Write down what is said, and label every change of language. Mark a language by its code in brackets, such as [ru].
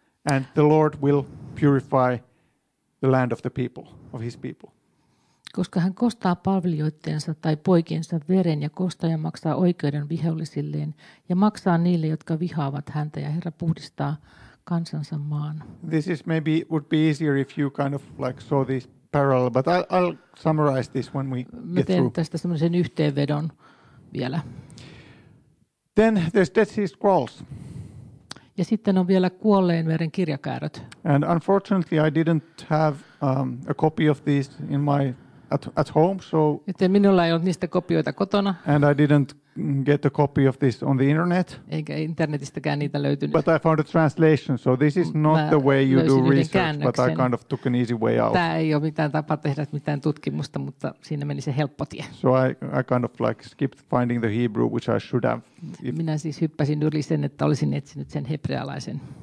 [en] And the Lord will purify the land of the people, of his people. [fi] Koska hän kostaa palvelijoittensa tai poikiensa veren ja kostaja maksaa oikeuden vihollisilleen ja maksaa niille, jotka vihaavat häntä ja Herra puhdistaa kansansa maan. [en] This is maybe would be easier if you kind of like saw this parallel, but I'll summarize this when we get through. [fi] Teen tästä semmoisen yhteenvedon vielä. [en] Then there's Dead Sea Scrolls. [fi] Ja sitten on vielä kuolleen veren kirjakäärät. [en] And unfortunately I didn't have a copy of these in my at home, so [fi] joten minulla ei ollut niistä kopioita kotona. [en] And I didn't get a copy of this on the internet. [fi] Eikä internetistäkään niitä löytynyt. [en] But I found a translation, so this is not [fi] mä [en] the way you do research, [fi] käännöksen. [en] But I kind of took an easy way out. [fi] Tämä ei ole mitään tapa tehdä mitään tutkimusta, mutta siinä meni se helppo tie. [en] So I kind of like skipped finding the Hebrew, which I should have. [fi] Minä siis hyppäsin yli sen, että olisin etsinyt sen hebrealaisen.